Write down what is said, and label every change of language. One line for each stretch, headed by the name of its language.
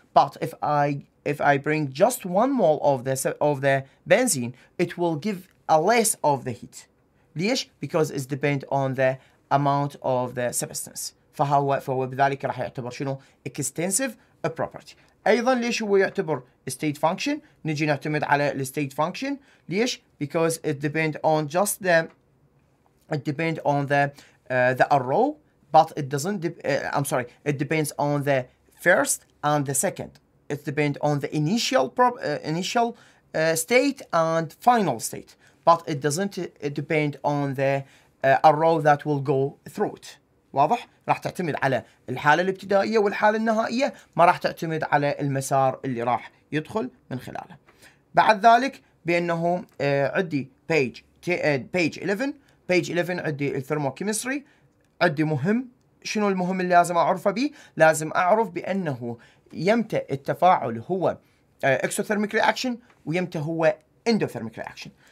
English: But if I bring just one mole of the benzene, it will give a less of the heat.
Arabic: ليش؟
English: because it depend on the amount of the substance.
Arabic: فهو بذلك راح يعتبر شنو؟
English: extensive property.
Arabic: أيضا ليش هو يعتبر
English: state function؟
Arabic: نجي نعتمد على state function. ليش؟
English: because it depends on the first and the second. It depends on the initial state and final state. But it doesn't depend on the arrow that will go through it.
Arabic: واضح؟ راح تعتمد على الحالة الابتدائية والحالة النهائية، ما راح تعتمد على المسار اللي راح يدخل من خلاله. بعد ذلك بأنه عدي page 11 عدي الثيرموكيمستري. عدي مهم، شنو المهم اللي لازم أعرفه بي؟ لازم أعرف بأنه يمتى التفاعل هو
English: exothermic reaction
Arabic: ويمتى هو
English: endothermic reaction.